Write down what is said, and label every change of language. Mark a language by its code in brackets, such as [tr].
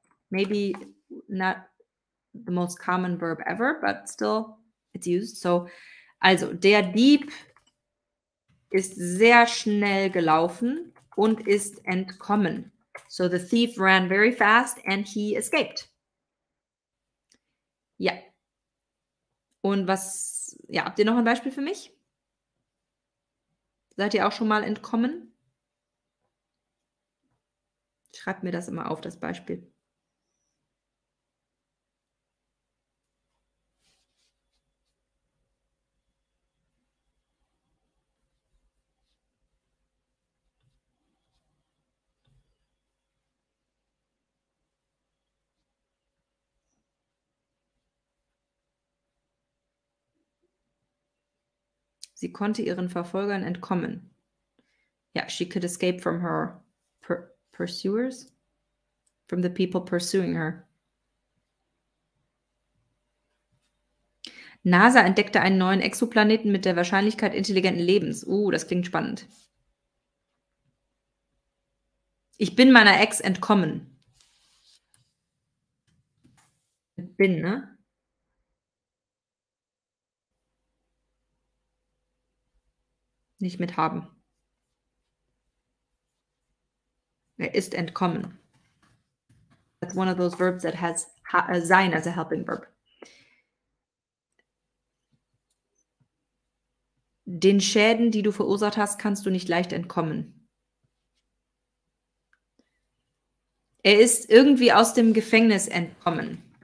[en] Maybe not the most common verb ever, but still it's used. [de] So, also, der Dieb ist sehr schnell gelaufen und ist entkommen. [en] So the thief ran very fast and he escaped. Yeah. [de] Und was, ja, habt ihr noch ein Beispiel für mich? Seid ihr auch schon mal entkommen? Schreibt mir das immer auf, das Beispiel. Sie konnte ihren Verfolgern entkommen. [en] Ja, she could escape from her pursuers, from the people pursuing her. [de] NASA entdeckte einen neuen Exoplaneten mit der Wahrscheinlichkeit intelligenten Lebens. Das klingt spannend. Ich bin meiner Ex entkommen. Bin, ne? Nicht mithaben. Er ist entkommen. [en] That's one of those verbs that has sein as a helping verb. [de] Den Schäden, die du verursacht hast, kannst du nicht leicht entkommen. Er ist irgendwie aus dem Gefängnis entkommen.